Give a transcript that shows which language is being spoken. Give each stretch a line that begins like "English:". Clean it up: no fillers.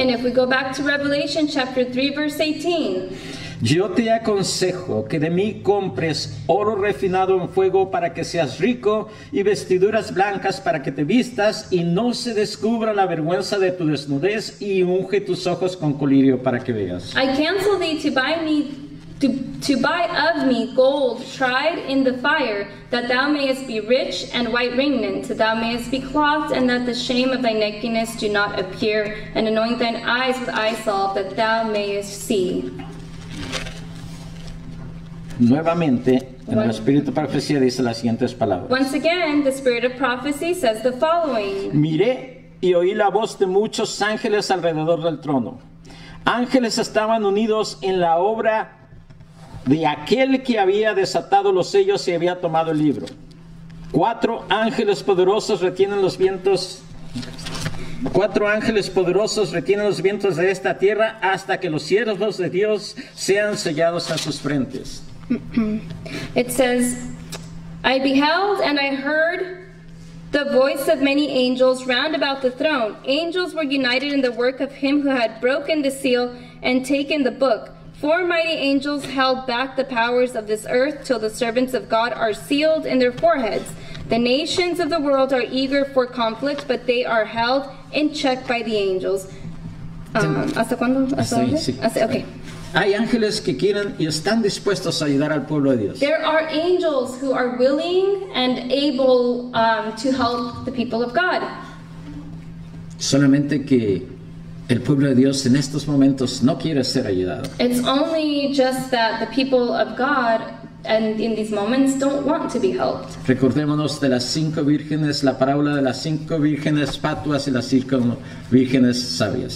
English: And if we go back to Revelation, chapter 3, verse 18.
Spanish: Yo te aconsejo que de mí compres oro refinado en fuego para que seas rico y vestiduras blancas para que te vistas y no se descubra la vergüenza de tu desnudez y unge tus ojos con colirio para que veas.
English: I counsel thee to buy me... To buy of me gold tried in the fire, that thou mayest be rich, and white raiment, that thou mayest be clothed, and that the shame of thy nakedness do not appear, and anoint thine eyes with eye salve, that thou mayest see.
Spanish: Nuevamente, en el espíritu de profecía dice las siguientes palabras.
English: Once again, the spirit of prophecy says the following.
Spanish: Miré y oí la voz de muchos ángeles alrededor del trono. Ángeles estaban unidos en la obra de aquel que había desatado los sellos y había tomado el libro. Cuatro ángeles poderosos retienen los vientos. Cuatro ángeles poderosos retienen los vientos de esta tierra hasta que los siervos de Dios sean sellados a sus frentes.
English: It says, I beheld and I heard the voice of many angels round about the throne. Angels were united in the work of him who had broken the seal and taken the book. Four mighty angels held back the powers of this earth till the servants of God are sealed in their foreheads. The nations of the world are eager for conflict, but they are held in check by the angels.
Spanish: ¿Hasta cuándo? Okay. Hay ángeles que quieren y están dispuestos a ayudar al pueblo de Dios.
English: There are angels who are willing and able to help the people of God.
Spanish: Solamente que el pueblo de Dios en estos momentos no quiere ser ayudado.
English: It's only just that the people of God and in these moments don't want to be helped.
Spanish: Recordémonos de las cinco vírgenes, la parábola de las cinco vírgenes fatuas y las cinco vírgenes sabias.